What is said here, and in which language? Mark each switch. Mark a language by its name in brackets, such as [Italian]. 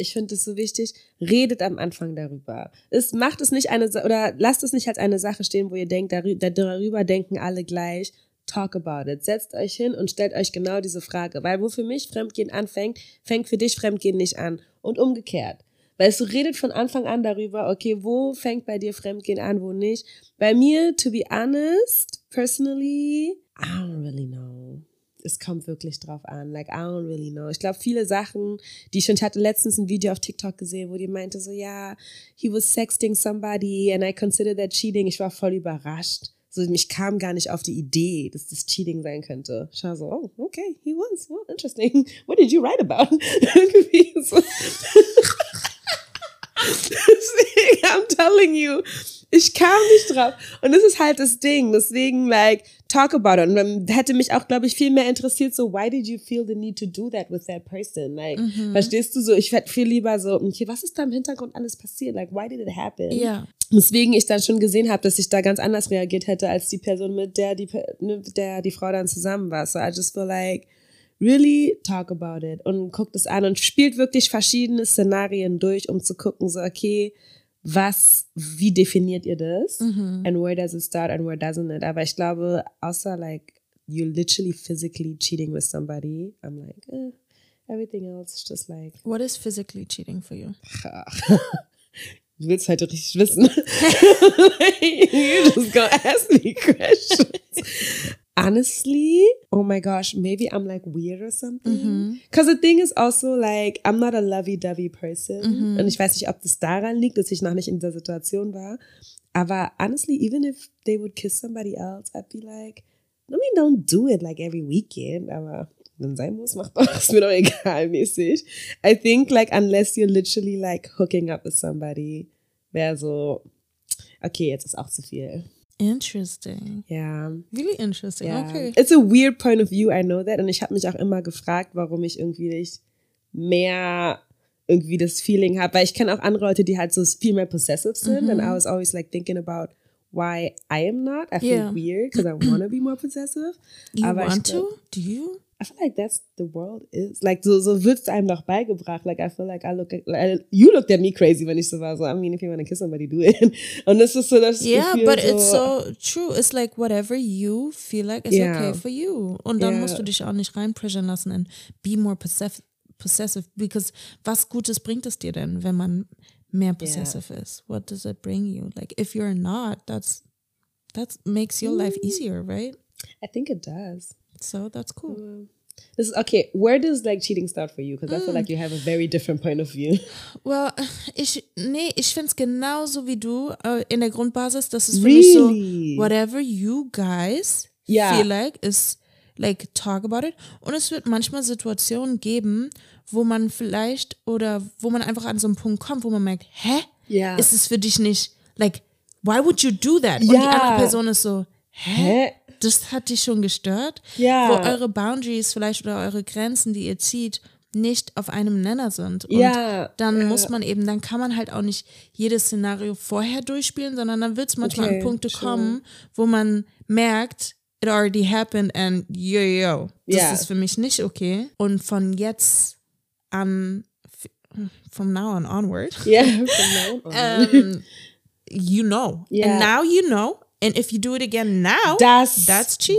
[German] Ich finde es so wichtig, redet am Anfang darüber. Lasst es nicht als eine Sache stehen, wo ihr denkt, darüber denken alle gleich. [English] Talk about it. [German] Setzt euch hin und stellt euch genau diese Frage. Weil wo für mich Fremdgehen anfängt, fängt für dich Fremdgehen nicht an. Und umgekehrt. Weißt du, redet von Anfang an darüber, okay, wo fängt bei dir Fremdgehen an, wo nicht. Bei mir, [English] to be honest, personally, I don't really know. [German] Es kommt wirklich drauf an. [English] Like, I don't really know. [German] Ich glaube, viele Sachen, die ich hatte letztens ein Video auf TikTok gesehen, wo die meinte so, ja, [English] he was sexting somebody and I consider that cheating. [German] Ich war voll überrascht. So, mich kam gar nicht auf die Idee, dass das Cheating sein könnte. [English] Ich war so, oh, okay, he was. Well, interesting. What did you write about? [German] Deswegen, [English] I'm telling you. [German] Ich kam nicht drauf. Und das ist halt das Ding. Deswegen, [English] like, talk about it. [German] Und dann hätte mich auch, glaube ich, viel mehr interessiert, so, [English] why did you feel the need to do that with that person? Like, [German] verstehst du so? Ich werde viel lieber so, okay, was ist da im Hintergrund alles passiert? [English] Like, why did it happen? Ja. Yeah. [German] Deswegen ich dann schon gesehen habe, dass ich da ganz anders reagiert hätte, als die Person, mit der die Frau dann zusammen war. [English] So, I just feel like, really talk about it. [German] Und guckt es an und spielt wirklich verschiedene Szenarien durch, um zu gucken, so, okay, wie definiert ihr das? Mhm. [English] And where does it start and where doesn't it? [German] Aber ich glaube, außer [English] like, you literally physically cheating with somebody, I'm like, everything else is just like. What is physically cheating for you? [German] Du willst halt richtig wissen. [English] You just go ask me questions. Honestly, oh my gosh, maybe I'm like weird or something. Because the thing is also like, I'm not a lovey-dovey person. Mm-hmm. [German] Und ich weiß nicht, ob das daran liegt, dass ich noch nicht in dieser Situation war. Aber [English] honestly, even if they would kiss somebody else, I'd be like, I mean, don't do it like every weekend. [German] Aber wenn sein muss, macht doch, ist mir doch egal, mäßig. [English] I think like, unless you're literally like hooking up with somebody, [German] wäre so, okay, jetzt ist auch zu viel. [English] Interesting. Yeah. Really interesting. Yeah. Okay. It's a weird point of view, I know that. [German] Und ich habe mich auch immer gefragt, warum ich irgendwie nicht mehr irgendwie das Feeling habe. Weil ich kenne auch andere Leute, die halt so viel mehr possessive sind. [English] Mm-hmm. And I was always like thinking about why I am not. I feel weird because I want to be more possessive. Do you? I feel like that's the world is. Like, [German] so wird es einem doch beigebracht. [English] Like, I feel like you looked at me crazy, [German] wenn ich so war. [English] So, I mean, if you want to kiss somebody, do it. [German] Und das ist so, das Gefühl. [English] Yeah, but it's so true. It's like, whatever you feel like is okay for you. [German] Und dann musst du dich auch nicht reinpressuren lassen [English] and be more possessive. [German] Because was Gutes bringt es dir denn, wenn man mehr possessive ist? [English] What does it bring you? Like, if you're not, that makes your life easier, right? I think it does. So that's cool. This is okay. Where does like cheating start for you? Because I feel like you have a very different point of view. Well, [German] ich finde es genauso wie du in der Grundbasis. Das ist für mich so, [English] whatever you guys feel like is like talk about it. [German] Und es wird manchmal Situationen geben, wo man vielleicht oder wo man einfach an so einen Punkt kommt, wo man merkt, ist es für dich nicht [English] like why would you do that? [German] Und die andere Person ist so, das hat dich schon gestört? Ja. Wo eure Boundaries vielleicht oder eure Grenzen, die ihr zieht, nicht auf einem Nenner sind. Und ja. Dann muss man eben, dann kann man halt auch nicht jedes Szenario vorher durchspielen, sondern dann wird es manchmal an Punkte kommen, wo man merkt, [English] it already happened and yo, [German] das ist für mich nicht okay. Und von jetzt an, [English] from now on onward. you know. Yeah. And now you know. And if you do it again now, that's cheating.